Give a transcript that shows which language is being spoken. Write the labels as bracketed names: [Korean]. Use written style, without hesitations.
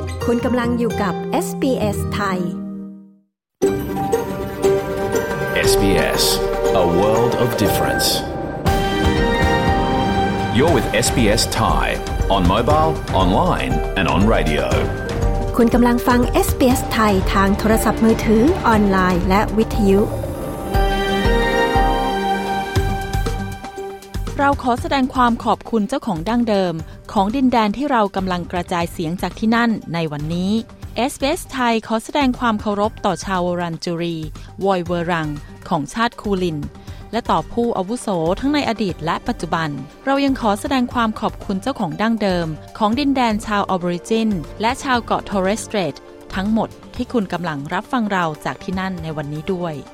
[Thai] คุณกำลังอยู่กับ SBS ไทย [English] SBS A World of Difference You're with SBS Thai on mobile, online and on radio [Thai] คุณกำลังฟัง SBS ไทยทางโทรศัพท์มือถือออนไลน์และวิทยุ เราขอแสดงความขอบคุณเจ้าของดั้งเดิมของดินแดนที่เรากำลังกระจายเสียงจากที่นั่นในวันนี้ SBS ไทยขอแสดงความเคารพต่อชาววอรันจูรีวอยเวอรังของชาติคูลินและต่อผู้อาวุโสทั้งในอดีตและปัจจุบันเรายังขอแสดงความขอบคุณเจ้าของดั้งเดิมของดินแดนชาวออริจินและชาวเกาะทอเรสสเตรททั้งหมดที่คุณกำลังรับฟังเราจากที่นั่นในวันนี้ด้วย